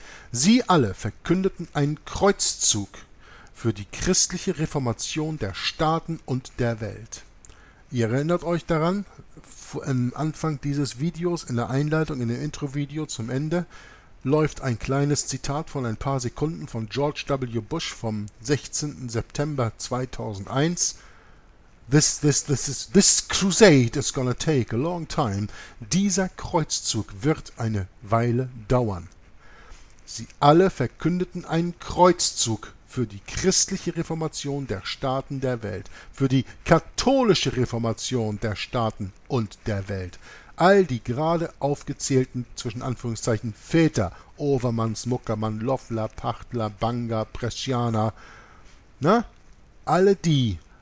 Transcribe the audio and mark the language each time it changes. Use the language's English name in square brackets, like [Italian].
[German] Sie alle verkündeten einen Kreuzzug für die christliche Reformation der Staaten und der Welt. Ihr erinnert euch daran, am Anfang dieses Videos, in der Einleitung, in dem Intro-Video zum Ende, läuft ein kleines Zitat von ein paar Sekunden von George W. Bush vom 16. September 2001. [English] This crusade is gonna take a long time. [German] Dieser Kreuzzug wird eine Weile dauern. Sie alle verkündeten einen Kreuzzug für die christliche Reformation der Staaten der Welt, für die katholische Reformation der Staaten und der Welt. All die gerade aufgezählten, zwischen Anführungszeichen, Väter, Overmanns, Muckermann, Loffler, Pachtler, Banga, Bresciana, na, alle die